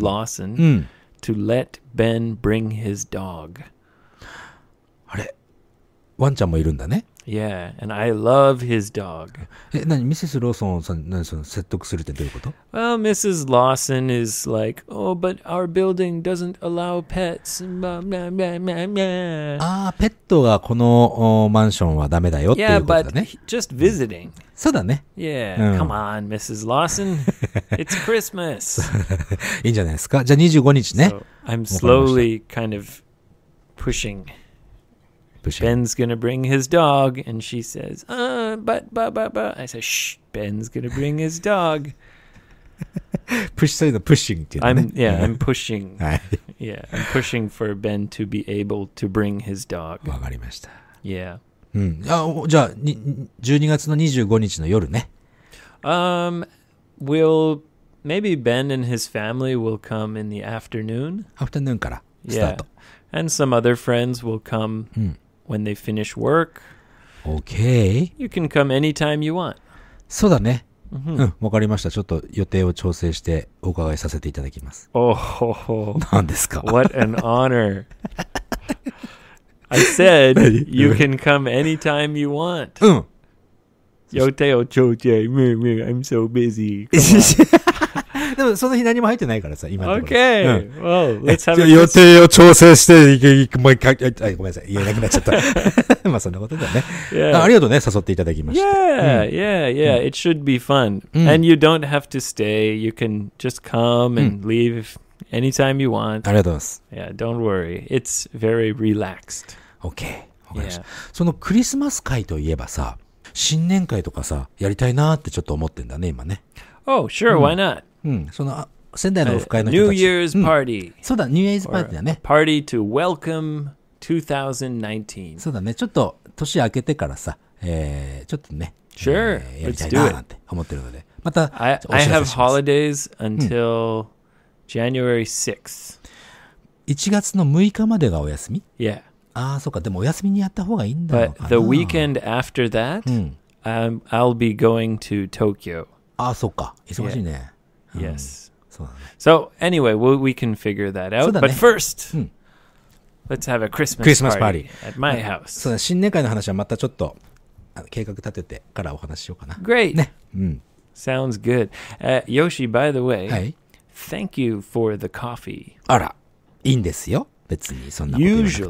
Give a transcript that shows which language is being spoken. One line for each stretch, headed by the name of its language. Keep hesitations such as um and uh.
English: Lawson to let Ben bring his dog.
Japanese: あれ?ワンちゃんもいるんだね。
English: Yeah, and I love his dog. Well, Mrs. Lawson is like, oh, but our building doesn't allow pets. Ah,
Japanese: pet がこのマンションはダメだよ.
English: Yeah, but just visiting. Yeah, come on, Mrs. Lawson. It's Christmas.
Japanese: いいんじゃないですか?
English: So, I'm slowly kind of pushing. Pushing. Ben's gonna bring his dog, and she says, "Uh, but but but but." I say, "Shh, Ben's gonna bring his dog." pushing the pushing. I'm Yeah, I'm pushing. yeah, I'm pushing for Ben to be able to bring his dog. yeah. Um, we'll maybe Ben and his family will come in the afternoon.
Japanese: Afternoon から.
English: Yeah. And some other friends will come. うん。 when they finish work. Okay. You can come anytime you want.
Japanese: そうだね。Mm hmm. うん、わかりました。ちょっと予定を調整してお伺いさせていただきます。おお、oh, oh, oh. 何ですか
English: ?What an honor.I said, you can come anytime you want. うん。
Japanese: 予定を調整。
English: I'm so busy. Come on.
Japanese: でもその日何も入ってないからさ、今の。
English: OK!
Japanese: Well, l 予定を調整して、もう一回、ごめんなさい、言えなくなっちゃった。まあそんなことだね。ありがとうね、誘っていただきました。
English: Yeah, yeah, yeah. It should be fun. And you don't have to stay. You can just come and leave anytime you want.
Japanese: ありがとうございます。
English: Yeah, don't worry. It's very relaxed. OK。
Japanese: わかりました。そのクリスマス会といえばさ、新年会とかさ、やりたいなってちょっと思ってんだね、今ね。
English: Oh, sure, why not?
Japanese: うん、そのあ仙台のオフ会の New Year's Party、うん。そうだ、New Year's Party だね。
English: Party to welcome 2019.
Japanese: そうだね、ちょっと年明けてからさ、えー、ちょっとね、sure. えー、やりたいなって思ってるので。また、
English: I, I have holidays until、うん、January 6th.1
Japanese: 月の6日までがお休み ?Yeah. ああ、そうか、でもお休みにやった方がいいんだろうな。
English: But the weekend after that,、うん、I'll be going to Tokyo.
Japanese: ああ、そうか、忙しいね。Yeah. Yes.
English: So, so anyway, we'll, we can figure that out. But first, let's have a Christmas, party Christmas party, party at my house. そ
Japanese: う新年会の話はまたちょっと計画立ててからお話ししようかな。
English: Great!、ね、Sounds あの、good.、Uh, Yoshi, by the way,、はい、thank you for the coffee.
Japanese: あら、いいんですよ。別にそんなことなくても。